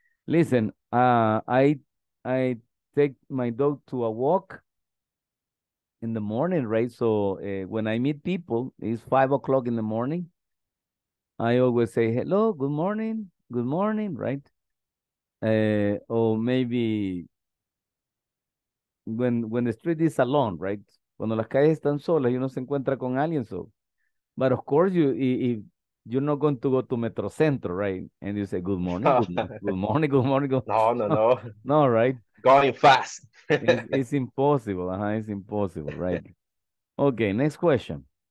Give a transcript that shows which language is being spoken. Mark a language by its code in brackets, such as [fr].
[en] Listen, I take my dog to a walk in the morning, right? So when I meet people, it's 5 o'clock in the morning. I always say hello, good morning, right? Or maybe when the street is alone, right? [es] Cuando las calles están solas y uno se encuentra con alguien, so. [en] But of course, you're not going to go to Metrocentro, right? And you say, good morning, good morning, good morning, good morning. No. No, right? Going fast. it's impossible, it's impossible, right? Okay, next question.